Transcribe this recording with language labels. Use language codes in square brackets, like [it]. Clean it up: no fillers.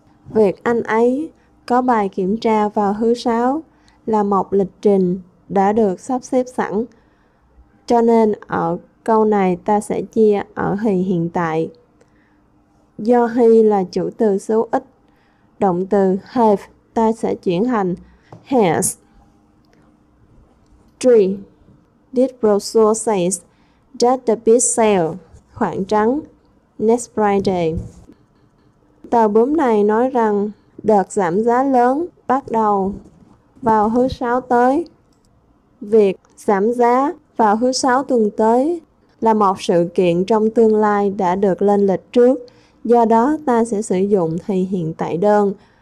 [vi] Việc anh ấy có bài kiểm tra vào thứ sáu là một lịch trình đã được sắp xếp sẵn. Cho nên ở câu này ta sẽ chia ở thì hiện tại. Do he là chủ từ số ít, động từ have ta sẽ chuyển thành has. 3. [en] This brochure says that the big sale, [vi] khoảng trắng, [en] next Friday. [vi] Tờ bướm này nói rằng đợt giảm giá lớn bắt đầu vào thứ sáu tới. Việc giảm giá vào thứ sáu tuần tới là một sự kiện trong tương lai đã được lên lịch trước, do đó ta sẽ sử dụng thì hiện tại đơn.